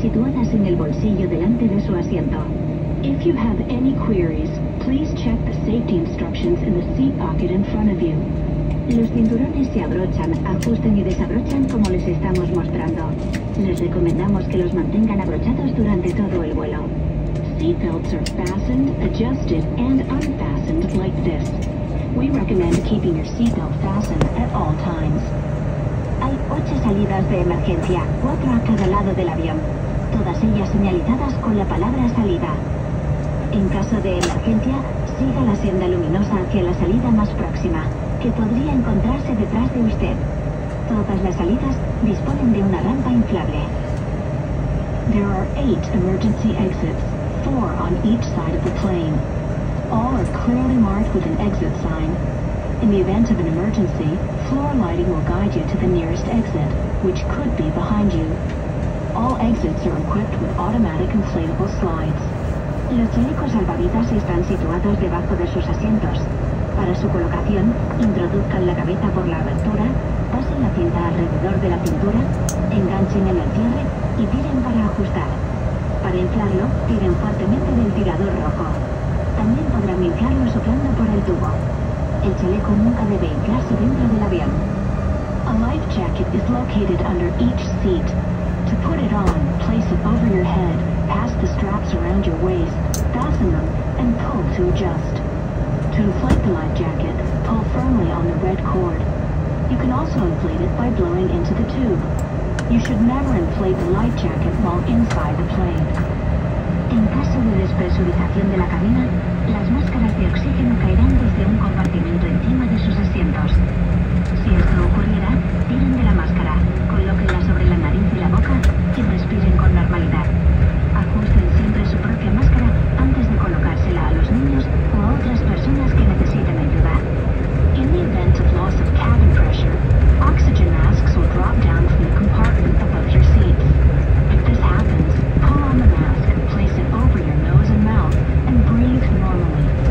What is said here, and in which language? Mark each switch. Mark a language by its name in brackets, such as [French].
[English] If you have any queries, please check the safety instructions in the seat pocket in front of you. [Spanish] Los cinturones se abrochan, ajusten y desabrochan como les estamos mostrando. Les recomendamos que los mantengan abrochados durante todo el vuelo. [English] Seat belts are fastened, adjusted, and unfastened like this. We recommend keeping your seat belt fastened at all times. [Spanish] Hay 8 salidas de emergencia, 4 a cada lado del avión. Todas ellas señalizadas con la palabra salida. En caso de emergencia, siga la senda luminosa hacia la salida más próxima, que podría encontrarse detrás de usted. Todas las salidas disponen de una rampa inflable. [English] There are 8 emergency exits, 4 on each side of the plane. All are clearly marked with an exit sign. In the event of an emergency, floor lighting will guide you to the nearest exit, which could be behind you. All exits are equipped with automatic inflatable slides. [Spanish] Los chalecos salvavidas están situados debajo de sus asientos. Para su colocación, introduzcan la cabeza por la abertura, pasen la cinta alrededor de la cintura, enganchen en el cierre y tiren para ajustar. Para inflarlo, tiren fuertemente del tirador rojo. También podrán inflarlo soplando por el tubo. El chaleco nunca debe inflarse dentro del avión. [English] A life jacket is located under each seat. To put it on, place it over your head, pass the straps around your waist, fasten them, and pull to adjust. To inflate the life jacket, pull firmly on the red cord. You can also inflate it by blowing into the tube. You should never inflate the life jacket while inside the plane. [Spanish] En caso de despresurización de la cabina, las máscaras de oxígeno caerán desde un compartimento encima de sus asientos. Si esto ocurriera, tiren de la máscara, colóquenla sobre la nariz y la boca y respiren con normalidad. Ajusten siempre su propia máscara antes de colocársela a los niños o a otras personas que necesiten ayuda. [English] In the event of loss of cabin pressure, oxygen masks will drop down from the compartment above your seats. If this happens, pull on the mask, place it over your nose and mouth, and breathe normally.